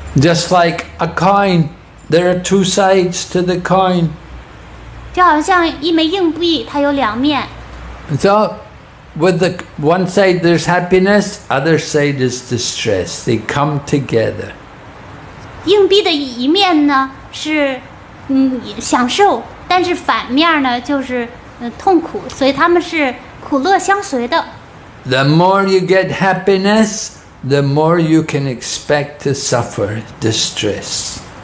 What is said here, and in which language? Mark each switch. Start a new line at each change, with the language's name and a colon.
English: Just like a coin, there are two sides to the coin.
Chinese: 就好像一枚硬币，它有两面。
English: So, with the one side there's happiness, other side is distress. They come together.
Chinese: 硬币的一面呢，是享受。但是反面呢，就是痛苦，所以他们是苦乐相随的。
English: The more you get happiness, the more you can expect to suffer distress.